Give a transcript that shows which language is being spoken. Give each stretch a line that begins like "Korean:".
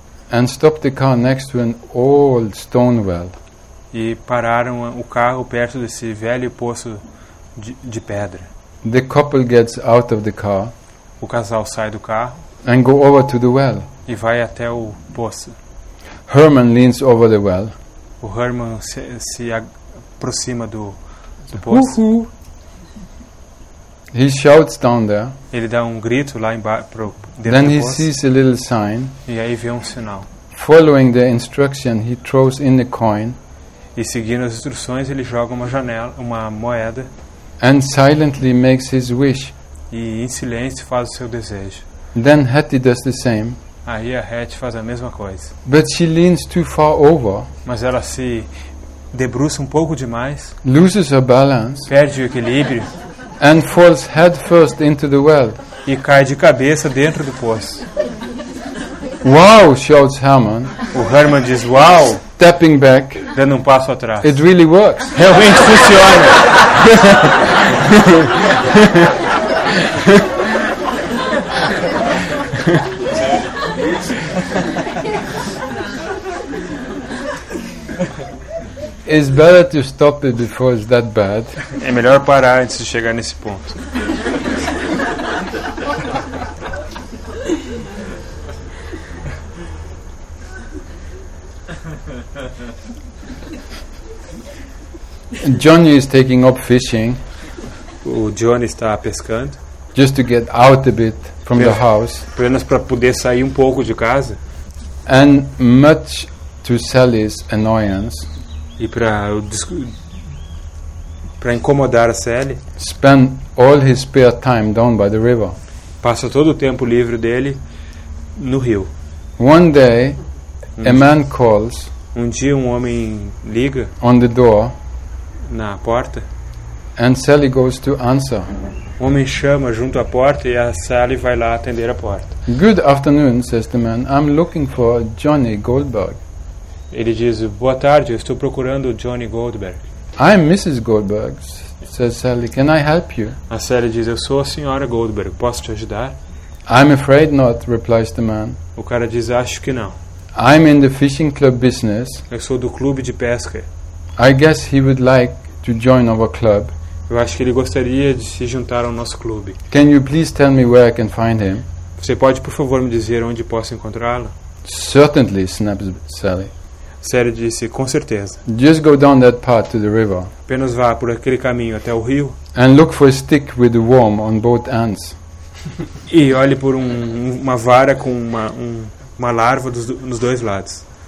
English: And stop the car next to an old stone well.
Portuguese: E pararam o carro perto desse velho poço de pedra.
English: The couple gets out of the car.
Portuguese: O casal sai do carro.
English: And go over to the well.
Portuguese: E vai até o poço.
English: Herman leans over the well.
Portuguese: O Herman se aproxima do poço.
English: Uh-huh. He shouts down there.
Portuguese: Ele dá um grito lá embaixo.
English: Then he sees a little sign.
Portuguese: E aí vê um sinal.
English: Following the instruction, he throws in a coin.
Portuguese: E seguindo as instruções, ele joga uma moeda.
English: And silently makes his wish.
Portuguese: E em silêncio faz o seu desejo.
English: Then Hattie does the same.
Portuguese: Aí a Hattie faz a mesma coisa.
English: But she leans too far over.
Portuguese: Mas ela se debruça um pouco demais.
English: Loses her balance.
Portuguese: Perde o equilíbrio.
English: And falls head first into the well.
Portuguese: E cai de cabeça dentro do poço.
English: Wow, shouts Herman.
Portuguese: O Herman diz, wow.
English: Stepping back.
Portuguese: Dando um passo atrás.
English: It really works.
Portuguese: Realmente funciona.
English: It's better to stop it before it's that bad.
Portuguese: É melhor parar antes de chegar nesse ponto.
English: Johnny is taking up fishing.
Portuguese: O Johnny está pescando.
English: Just to get out a bit from the house.
Portuguese: Apenas para poder sair um pouco de casa.
English: And much to Sally's annoyance.
Portuguese: E para incomodar a Sally.
English: Spend all his spare time down by the river.
Portuguese: Passa todo o tempo livre dele no rio.
English: One day, a man calls.
Portuguese: Um dia um homem liga.
English: On the door.
Portuguese: Na porta.
English: And Sally goes to answer.
Portuguese: O homem chama junto à porta e a Sally vai lá atender a porta.
English: Good afternoon, says the man. I'm looking for Johnny Goldberg.
Portuguese: Ele diz, boa tarde, eu estou procurando Johnny Goldberg.
English: I'm Mrs. Goldberg, says Sally, can I help you?
Portuguese: A Sally diz, eu sou a senhora Goldberg, posso te ajudar?
English: I'm afraid not, replies the man.
Portuguese: O cara diz, acho que não.
English: I'm in the fishing club business.
Portuguese: Eu sou do clube de pesca.
English: I guess he would like to join our club.
Portuguese: Eu acho que ele gostaria de se juntar ao nosso clube.
English: Can you please tell me where I can find him?
Portuguese: Você pode, por favor, me dizer onde posso encontrá-lo?
English: Certainly, snaps Sally.
Portuguese: Sério disse, com certeza.
English: Just go down that path to the river.
Portuguese: Apenas vá por aquele caminho até o rio.
English: And look for a stick with the worm on both ends.
Portuguese: E olhe por uma vara com uma larva nos dois lados.